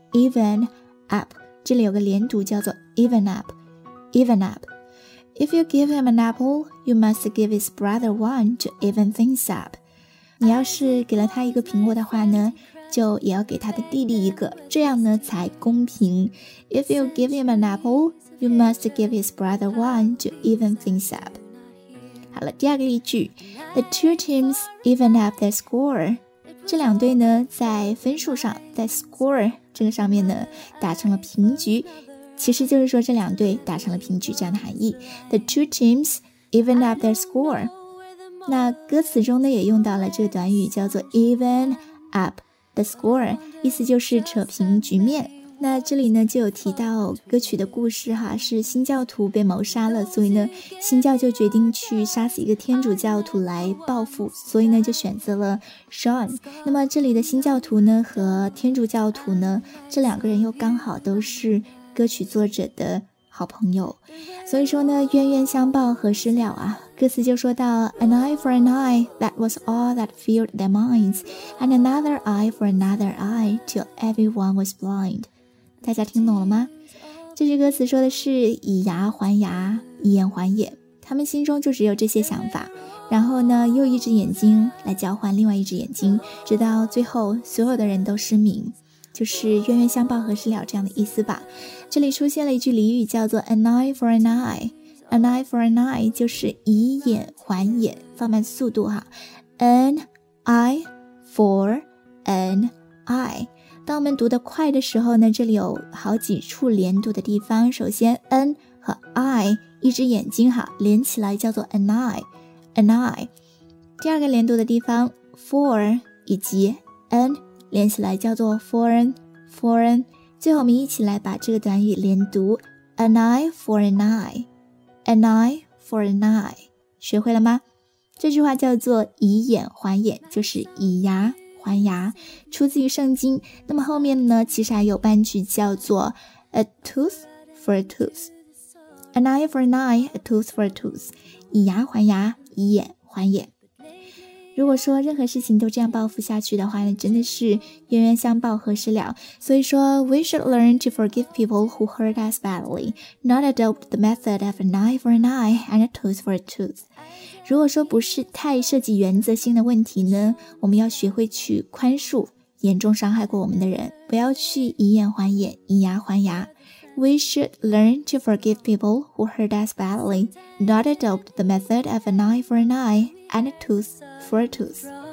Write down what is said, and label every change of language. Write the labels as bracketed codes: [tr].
[zh] Even up 这里有个连读叫做 even up, even up. [en] If you give him an apple, you must give his brother one to even things up. [zh] 你要是给了他一个苹果的话呢？就也要给他的弟弟一个，这样呢才公平。 [en] If you give him an apple, you must give his brother one to even things up. [zh] 好了，第二个例句， [en] The two teams even up their score. [zh] 这两队呢在分数上，在 score 这个上面呢打成了平局，其实就是说这两队打成了平局这样的含义。 [en] The two teams even up their score. [zh] 那歌词中呢也用到了这个短语叫做 [en] even upThe score, [zh] 意思就是扯平局面。那这里呢就有提到歌曲的故事哈，是新教徒被谋杀了，所以呢新教就决定去杀死一个天主教徒来报复，所以呢就选择了 Sean。那么这里的新教徒呢和天主教徒呢，这两个人又刚好都是歌曲作者的好朋友，所以说呢冤冤相报何时了啊。歌词就说到 [en] An eye for an eye, that was all that filled their minds, and another eye for another eye, till everyone was blind. [zh] 大家听懂了吗？这句歌词说的是以牙还牙，以眼还眼，他们心中就只有这些想法，然后呢又一只眼睛来交换另外一只眼睛，直到最后所有的人都失明，就是冤冤相报何时了这样的意思吧。这里出现了一句俚语叫做 [en] An eye for an eye, [zh] An eye for an eye 就是以眼还眼，放慢速度哈。 [en] An eye for an eye， [zh] 当我们读得快的时候呢，这里有好几处连读的地方。首先 an 和 eye 一只眼睛哈，连起来叫做 [en] an eye, an eye。 [zh] 第二个连读的地方 for 以及 an 连起来叫做 foreign, foreign。最后我们一起来把这个短语连读 [en] an eye for an eye。 An eye for an eye， [zh] 学会了吗？这句话叫做以眼还眼，就是以牙还牙，出自于圣经。那么后面呢其实还有半句叫做 [en] A tooth for a tooth， [zh] An eye for an eye, a tooth for a tooth， 以牙还牙，以眼还眼。如果说任何事情都这样报复下去的话呢，真的是冤冤相报何时了。所以说 [en] We should learn to forgive people who hurt us badly, not adopt the method of an eye for an eye and a tooth for a tooth. [zh] 如果说不是太涉及原则性的问题呢，我们要学会去宽恕严重伤害过我们的人，不要去以眼还眼，以牙还牙。 [en] We should learn to forgive people who hurt us badly, not adopt the method of an eye for an eye and a tooth for a tooth.